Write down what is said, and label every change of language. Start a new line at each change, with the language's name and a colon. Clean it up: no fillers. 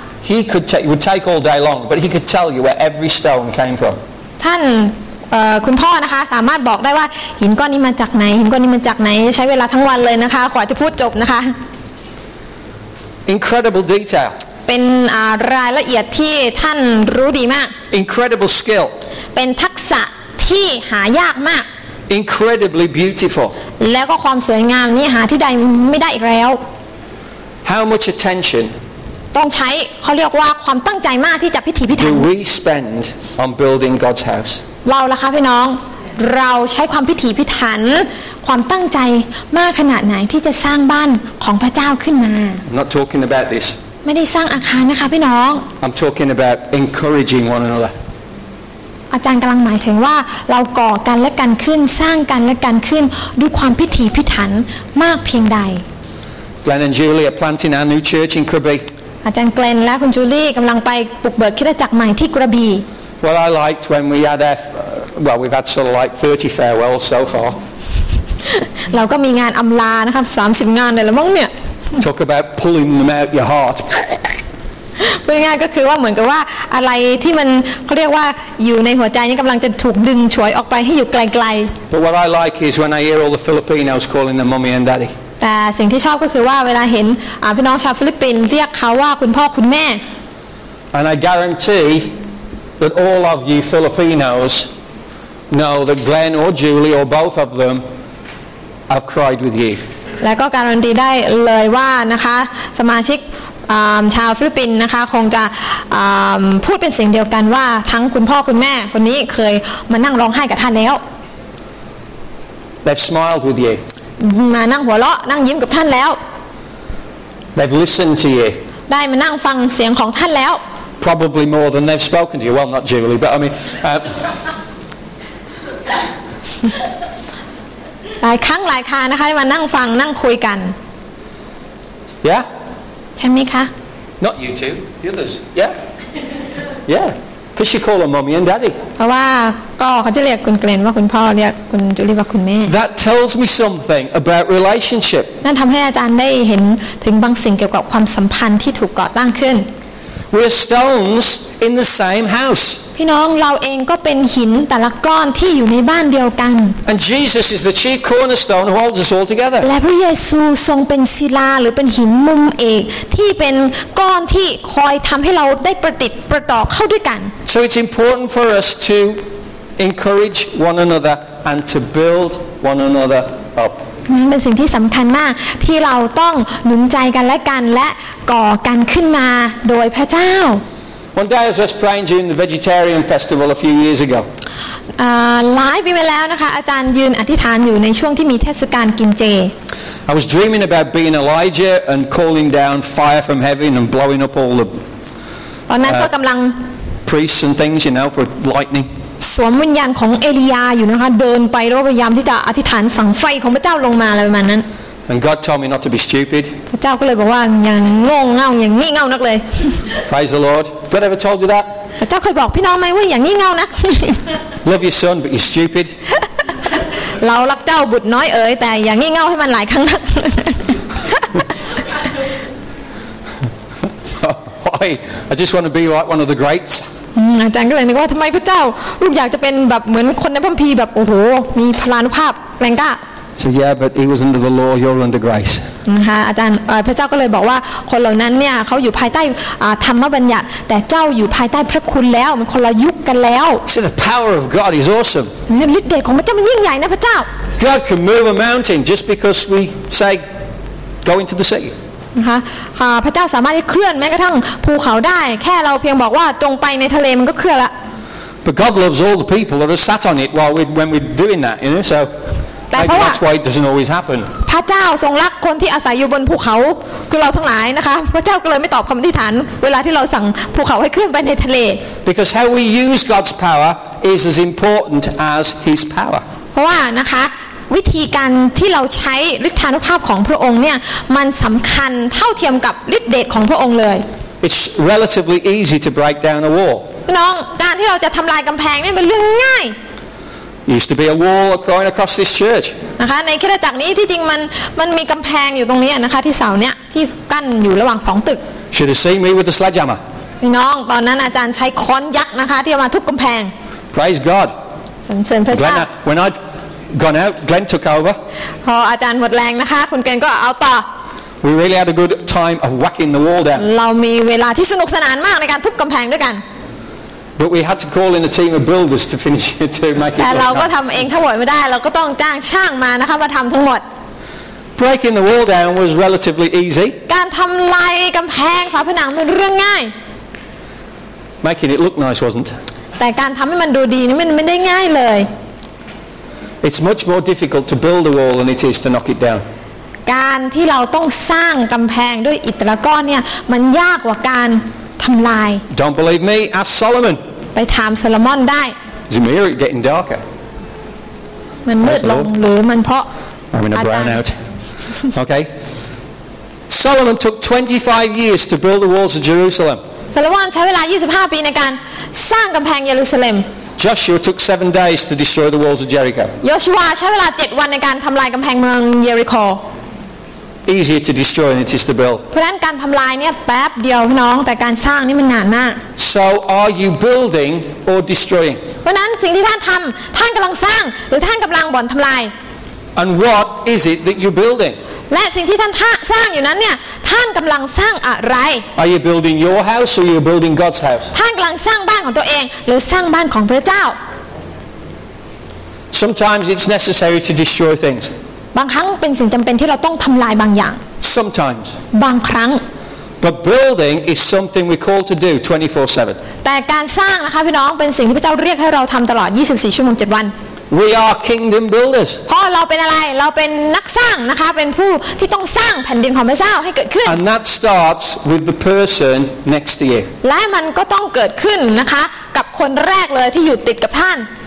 English: He could take. It would take all day long, but he could tell you where every stone came from.
Thai: ท่านคุณพ่อนะคะสามารถบอกได้ว่าหินก้อนนี้มาจากไหนหินก้อนนี้มาจากไหนใช้เวลาทั้งวันเลยนะคะกว่าจะพูดจบนะคะ
English: Incredible detail.
Thai: เป็นรายละเอียดที่ท่านรู้ดีมาก
English: Incredible skill
Thai: เป็นทักษะที่หายากมาก
English: Incredibly beautiful
Thai: แล้วก็ความสวยงามนี่หาที่ใดไม่ได้อีกแล้ว
English: How much attention
Thai: ต้องใช้เขาเรียกว่าความตั้งใจมากที่จะพิถีพิถั น
English: Do we spend on building God's house
Thai: เราล่ะคะพี่น้องเราใช้ความพิถีพิถันความตั้งใจมากขนาดไหนที่จะสร้างบ้านของพระเจ้าขึ้นมา
English: Not talking about this
Thai: ไม่ได้สร้างอาคารนะคะพี่น้อง
English: I'm talking about encouraging one another
Thai: อาจารย์กำลังหมายถึงว่าเราก่อกันและกันขึ้นสร้างกันและกันขึ้นด้วยความพิถีพิถันมากเพียงใด
English: Glenn and Julie are planting our new church in Krabi
Thai: อาจารย์ Glenn และคุณ Julie กำลังไปปลูกเบิกคริสตจักรใหม่ที่กระบี่
English: Well I liked when we had well we've had sort of like 30 farewells so far
Thai: เราก็มีงานอำลานะครับ30งานเลยละมั้งเนี่ย
English: Talk about pulling them out your heart.
Thai: พูดง่ายก็คือว่าเหมือนกับว่าอะไรที่มันเขาเรียกว่าอยู่ในหัวใจนี่กำลังจะถูกดึงฉวยออกไปให้อยู่ไกล
English: ๆ But what I like is when I hear all the Filipinos calling them mommy and daddy.
Thai: แต่สิ่งที่ชอบก็คือว่าเวลาเห็นพี่น้องชาวฟิลิปปินส์เรียกเขาว่าคุณพ่อคุณแม่
English: And I guarantee that all of you Filipinos know that Glenn or Julie or both of them have cried with you.
Thai: และก็การันตีได้เลยว่านะคะสมาชิกชาวฟิลิปปินส์นะคะคงจะพูดเป็นเสียงเดียวกันว่าทั้งคุณพ่อคุณแม่คนนี้เคยมานั่งร้องไห้กับท่านแล้ว
English: They've smiled with you
Thai: มานั่งหัวเราะนั่งยิ้มกับท่านแล้ว
English: They've listened to you
Thai: ได้มานั่งฟังเสียงของท่านแล้ว
English: Probably more than they've spoken to you well not Julie but I mean
Thai: หลายครั้งหลายคานะคะมานั่งฟังนั่งคุยกัน
English: Yeah
Thai: ใช่มั้ยคะ
English: Not you two the others Yeah Yeah Because she call them mommy and daddy
Thai: เพราะว่าก็เขาจะเรียกคุณเกรนว่าคุณพ่อเรียกคุณจูลี่ว่าคุณแม่
English: That tells me something about relationship
Thai: นั่นทำให้อาจารย์ได้เห็นถึงบางสิ่งเกี่ยวกับความสัมพันธ์ที่ถูกก่อตั้งขึ้น
English: We're stones in the same house
Thai: พี่น้องเราเองก็เป็นหินแต่ละก้อนที่อยู่ในบ้านเดียวกัน
English: And Jesus is the chief cornerstone who holds us all together
Thai: และพระเยซูทรงเป็นศิลาหรือเป็นหินมุมเอกที่เป็นก้อนที่คอยทำให้เราได้ประติดประต่อเข้าด้วยกัน
English: So it's important for us to encourage one another and to build one another up
Thai: นี่เป็นสิ่งที่สำคัญมากที่เราต้องหนุนใจกันและกันและก่อกันขึ้นมาโดยพระเจ้า
English: One day I was praying during the vegetarian festival a few years ago.
Thai: หลายปีมาแล้วนะคะอาจารย์ยืนอธิษฐานอยู่ในช่วงที่มีเทศกาลกินเจ
English: I was dreaming about being Elijah and calling down fire from heaven and blowing up all the
Thai: ตอนนั้นก็กำลัง
English: priests and things, you know, for lightning.
Thai: สวมวิญญาณของเอลียาอยู่นะคะเดินไปแล้วพยายามที่จะอธิษฐานสั่งไฟของพระเจ้าลงมาอะไรประมาณนั้น
English: And God told me not to be stupid
Thai: พระเจ้าก็เลยบอกว่าอย่างงงเง่าอย่างงี่เง่านักเลย
English: Praise the Lord God ever told you that
Thai: พระเจ้าเคยบอกพี่น้องไหมว่าอย่างงี่เง่านะ
English: Love your son but you're stupid
Thai: เรารักเจ้าบุตรน้อยเอ๋ยแต่อย่างงี่เง่าให้มันหลายครั้งนะ
English: Why I just want to be like one of the greats
Thai: อาจารย์ก็เลยนึกว่าทำไมพระเจ้าลูกอยากจะเป็นแบบเหมือนคนในพระคัมภีร์แบบโอ้โหมีพลานุภาพแรงกล้า
English: So yeah but he was under the law you're under grace
Thai: นะคะอาจารย์พระเจ้าก็เลยบอกว่าคนเหล่านั้นเนี่ยเขาอยู่ภายใต้ธรรมบัญญัติแต่เจ้าอยู่ภายใต้พระคุณแล้วมันคนละยุคกันแล้ว
English: So the power of God is awesome
Thai: ฤทธิ์เดชของพระเจ้ามันยิ่งใหญ่นะพระเจ้า
English: God can move a mountain just because we say go into the sea
Thai: นะคะพระเจ้าสามารถที่เคลื่อนแม้กระทั่งภูเขาได้แค่เราเพียงบอกว่าตรงไปในทะเลมันก็เคลื่อนละ
English: But God loves all the people that are sat on it while when we're doing that you know soMaybe that's why it doesn't always happen.
Thai: พระเจ้าทรงรักคนที่อาศัยอยู่บนภูเขาคือเราทั้งหลายนะคะพระเจ้าก็เลยไม่ตอบคำอธิษฐานเวลาที่เราสั่งภูเขาให้เคลื่อนไปในทะเล
English: Because how we use God's power is as important as His power.
Thai: เพราะว่านะคะวิธีการที่เราใช้ฤทธานุภาพของพระองค์เนี่ยมันสำคัญเท่าเทียมกับฤทธิ์เดชของพระองค์เลย
English: It's relatively easy to break down a wall.
Thai: น้องการที่เราจะทำลายกำแพงนี่เป็นเรื่องง่าย
English: Used to be a wall going across this church.
Thai: นะคะในคริสตจักรนี้ที่จริงมันมีกำแพงอยู่ตรงนี้นะคะที่เสาเนี้ยที่กั้นอยู่ระหว่างสองตึก
English: Should have seen me with the sledgehammer.
Thai: พี่น้องตอนนั้นอาจารย์ใช้ค้อนยักษ์นะคะที่มาทุบกำแพง
English: Praise God.
Thai: สรรเสริญพระเจ้า
English: Glenn, when I'd gone out, Glenn took over.
Thai: พออาจารย์หมดแรงนะคะคุณเกณฑ์ก็เอาต่อ
English: We really had a good time of whacking the wall down.
Thai: เรามีเวลาที่สนุกสนานมากในการทุบกำแพงด้วยกัน
English: But we had to call in a team of builders to finish it to make it work.
Thai: แต่เราก็ทำเองทั้งหมดไม่ได้เราก็ต้องจ้างช่างมานะคะมาทำทั้งหมด
English: Breaking the wall down was relatively easy.
Thai: การทำลายกำแพงฝาผนังเป็นเรื่องง่าย
English: Making it look nice wasn't.
Thai: แต่การทำให้มันดูดีนี่มันไม่ได้ง่ายเลย
English: It's much more difficult to build a wall than it is to knock it down.
Thai: การที่เราต้องสร้างกำแพงด้วยอิฐและก้อนเนี่ยมันยากกว่าการ
English: Don't believe me? Ask Solomon.
Thai: ไปถามโซโลมอนได้
English: Is it me or it getting darker?
Thai: มันมืดลงหรือมันเพราะ
English: I'm in a brownout. Okay. Solomon took 25 years to build the walls of Jerusalem.
Thai: โซโลมอนใช้เวลา25ปีในการสร้างกำแพงเยรูซาเล็ม
English: Joshua took 7 days to destroy the walls of Jericho.
Thai: โยชูวาใช้เวลา7วันในการทำลายกำแพงเมืองเยริโค
English: Easier to destroy than it is to build.
Thai: เพราะฉะนั้นการทำลายเนี่ยแป๊บเดียวน้องแต่การสร้างนี่มันนานมาก
English: So are you building or destroying?
Thai: เพราะนั้นสิ่งที่ท่านทำท่านกำลังสร้างหรือท่านกำลังบ่นทำลาย
English: And what is it that you're building?
Thai: และสิ่งที่ท่านสร้างอยู่นั้นเนี่ยท่านกำลังสร้างอะไร
English: Are you building your house or you're building God's house?
Thai: ท่านกำลังสร้างบ้านของตัวเองหรือสร้างบ้านของพระเจ้า
English: Sometimes it's necessary to destroy things.
Thai: บางครั้งเป็นสิ่งจำเป็นที่เราต้องทำลายบางอย่าง
English: Sometimes
Thai: บางครั้ง
English: But building is something we call to do 24/7
Thai: แต่การสร้างนะคะพี่น้องเป็นสิ่งที่พระเจ้าเรียกให้เราทำตลอด24ชั่วโมง7วัน
English: We are kingdom builders
Thai: เพราะเราเป็นอะไรเราเป็นนักสร้างนะคะเป็นผู้ที่ต้องสร้างแผ่นดินของพระเจ้าให้เกิดขึ้น
English: And that starts with the person next to you
Thai: และมันก็ต้องเกิดขึ้นนะคะกับคนแรกเลยที่อยู่ติดกับท่าน